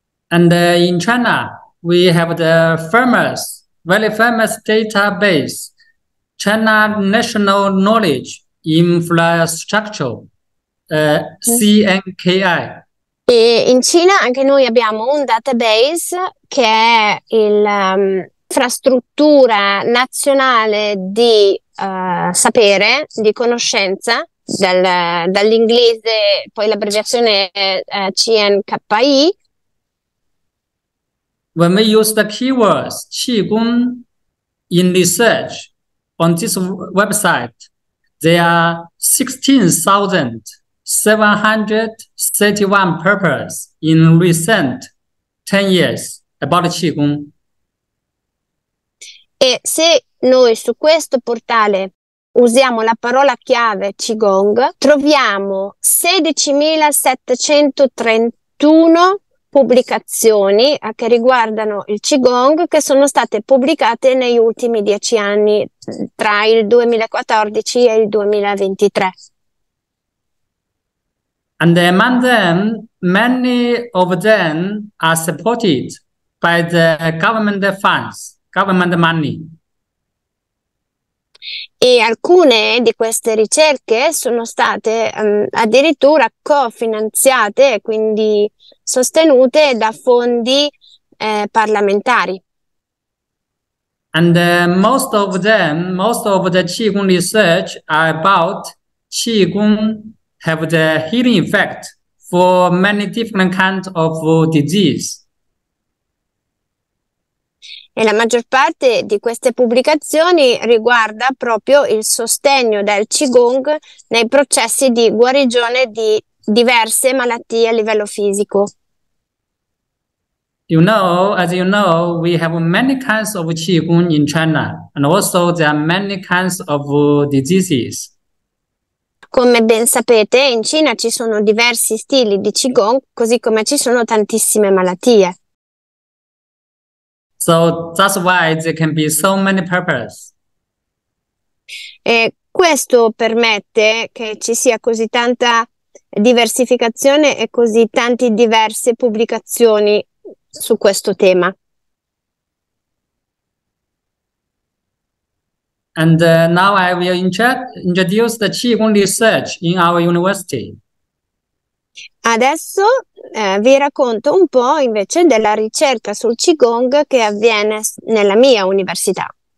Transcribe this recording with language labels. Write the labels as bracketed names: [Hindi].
[English] And in China, we have the famous, very famous database, China National Knowledge Infrastructure, CNKI. [Italian] E in Cina anche noi abbiamo un database che è l'infrastruttura nazionale di sapere, di conoscenza, dall'inglese, poi l'abbreviazione CNKI. [English] When we use the keywords Qigong in the search on this website, there are 16,731 papers in recent 10 years about Qigong. [Italian] E se noi su questo portale usiamo la parola chiave Qigong, troviamo 16.731 pubblicazioni che riguardano il Qigong, che sono state pubblicate negli ultimi 10 anni, tra il 2014 e il 2023. [English] And among them, many of them are supported by the government funds, government money. [Italian] E alcune di queste ricerche sono state addirittura cofinanziate, quindi sostenute da fondi parlamentari. [English] And most of the Qigong research are about Qigong have the healing effect for many different kinds of disease. [Italian] E la maggior parte di queste pubblicazioni riguarda proprio il sostegno del Qigong nei processi di guarigione di diverse malattie a livello fisico. [English] You know, as you know, we have many kinds of Qigong in China, and also there are many kinds of diseases. [Italian] Come ben sapete, in Cina ci sono diversi stili di Qigong, così come ci sono tantissime malattie. [English] So that's why there can be so many purposes. [Italian] E questo permette che ci sia così tanta diversificazione e così tante diverse pubblicazioni su questo tema. [English] And now I will introduce the Qigong research in our university. [Italian] Adesso vi racconto un po' invece della ricerca sul Qigong che avviene nella mia università.